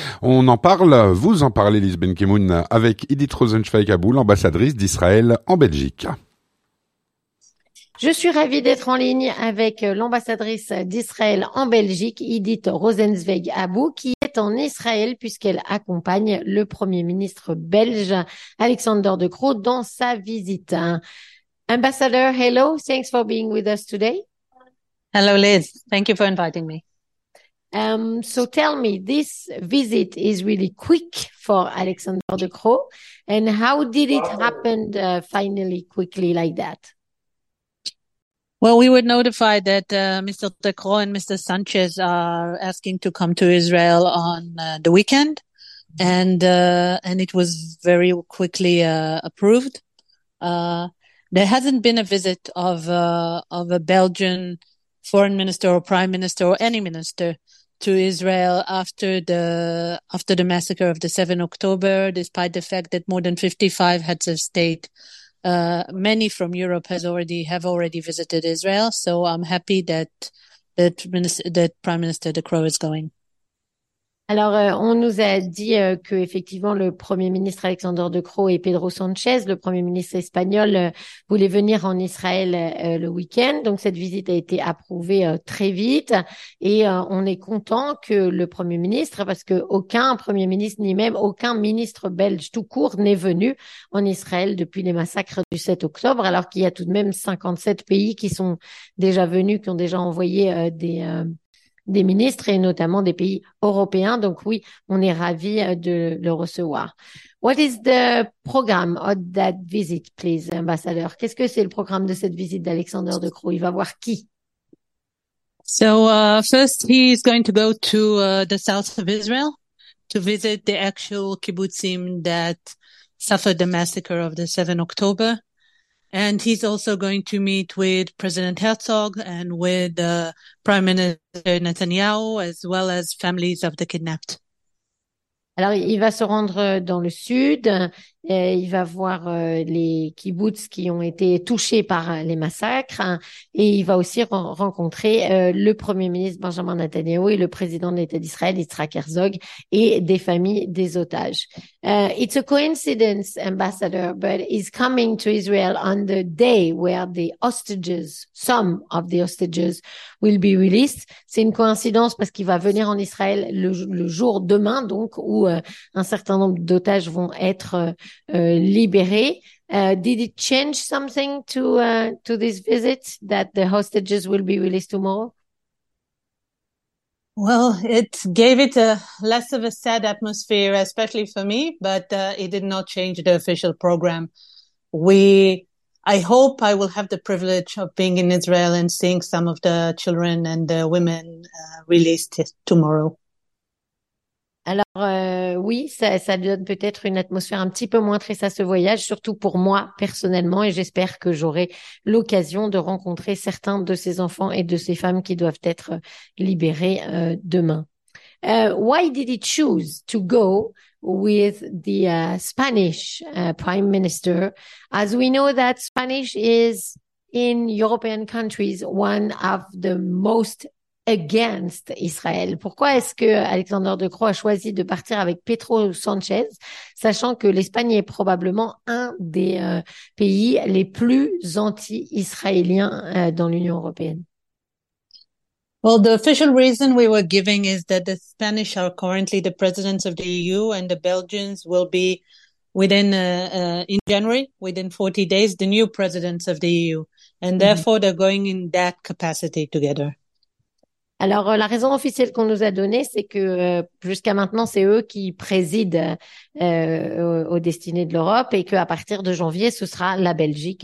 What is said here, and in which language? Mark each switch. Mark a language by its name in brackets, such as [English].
[French] On en parle, vous en parlez, Liz Ben-Kimoun, avec Edith Rosenzweig Abou, ambassadrice d'Israël en Belgique. Je suis ravie d'être en ligne avec l'ambassadrice d'Israël en Belgique, Edith Rosenzweig Abou, qui est en Israël puisqu'elle accompagne le Premier ministre belge Alexander De Croo dans sa visite. [English] Ambassador, hello, thanks for being with us today. Hello, Liz. Thank you for inviting me. So tell me, this visit is really quick for Alexander De Croo, and how did it happen finally quickly like that? Well, we were notified that Mr. De Croo and Mr. Sanchez are asking to come to Israel on the weekend, and it was very quickly approved. There hasn't been a visit of a Belgian foreign minister or prime minister or any minister to Israel after the massacre of the 7 October, despite the fact that more than 55 heads of state, many from Europe have already visited Israel. So I'm happy that Prime Minister De Croo is going. [French] Alors, on nous a dit que effectivement le Premier ministre Alexander De Croo et Pedro Sanchez, le Premier ministre espagnol, voulaient venir en Israël le week-end. Donc cette visite a été approuvée très vite et on est content que le Premier ministre, parce que aucun Premier ministre ni même aucun ministre belge tout court n'est venu en Israël depuis les massacres du 7 octobre, alors qu'il y a tout de même 57 pays qui sont déjà venus, qui ont déjà envoyé des ministres et notamment des pays européens. Donc oui, on est ravis de le recevoir. [English] What is the program of that visit, please, Ambassador? [French] Qu'est-ce que c'est le programme de cette visite d'Alexander De Croo? Il va voir qui? [English] So first, he is going to go to the south of Israel to visit the actual kibbutzim that suffered the massacre of the 7 October. And he's also going to meet with President Herzog and with Prime Minister Netanyahu, as well as families of the kidnapped. [French] Alors, il va se rendre dans le sud. Et il va voir les kibbutz qui ont été touchés par les massacres. Et il va aussi rencontrer le Premier ministre Benjamin Netanyahu et le président de l'État d'Israël, Yitzhak Herzog, et des familles des otages. [English] It's a coincidence, Ambassador, but he's coming to Israel on the day where the hostages, some of the hostages, will be released. [French] C'est une coïncidence parce qu'il va venir en Israël le jour demain, donc, où un certain nombre d'otages vont être libéré. [English] Did it change something to this visit, that the hostages will be released tomorrow? Well, it gave it a less of a sad atmosphere, especially for me, but it did not change the official program. I hope I will have the privilege of being in Israel and seeing some of the children and the women released tomorrow. [French] Alors oui, ça donne peut-être une atmosphère un petit peu moins triste à ce voyage, surtout pour moi personnellement, et j'espère que j'aurai l'occasion de rencontrer certains de ces enfants et de ces femmes qui doivent être libérés demain. [English] Why did he choose to go with the Spanish Prime Minister? As we know that Spanish is in European countries one of the most against Israel. [French] Pourquoi est-ce que Alexander De Croo a choisi de partir avec Pedro Sanchez, sachant que l'Espagne est probablement un des pays les plus anti-israéliens dans l'Union européenne? [English] Well, the official reason we were giving is that the Spanish are currently the presidents of the EU and the Belgians will be within in January, within 40 days, the new presidents of the EU. And therefore, they're going in that capacity together. [French] Alors, la raison officielle qu'on nous a donnée, c'est que jusqu'à maintenant, c'est eux qui président aux destinées de l'Europe et qu'à partir de janvier, ce sera la Belgique.